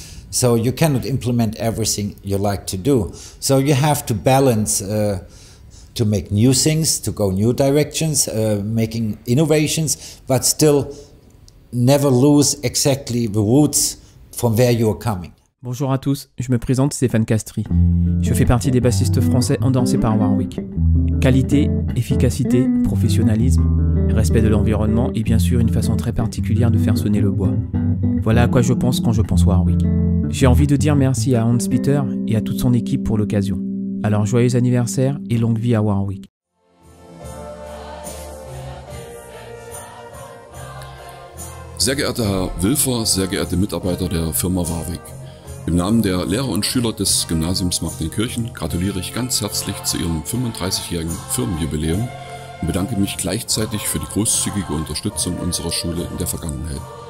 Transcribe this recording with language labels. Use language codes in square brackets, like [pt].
[en] So you cannot implement everything you like to do. So you have to balance to make new things, to go new directions, making innovations, but still never lose exactly the roots from where you are coming. [fr] Bonjour à tous, je me présente Stéphane Castry. Je fais partie des bassistes français endancés par Warwick. Qualité, efficacité, professionnalisme, respect de l'environnement et bien sûr une façon très particulière de faire sonner le bois. Voilà à quoi je pense quand je pense Warwick. J'ai envie de dire merci à Hans Peter et à toute son équipe pour l'occasion. Alors joyeux anniversaire et longue vie à Warwick. [de] Sehr geehrter Herr Wilfer, sehr geehrte Mitarbeiter der Firma Warwick. Im Namen der Lehrer und Schüler des Gymnasiums Martinkirchen gratuliere ich ganz herzlich zu Ihrem 35-jährigen Firmenjubiläum und bedanke mich gleichzeitig für die großzügige Unterstützung unserer Schule in der Vergangenheit.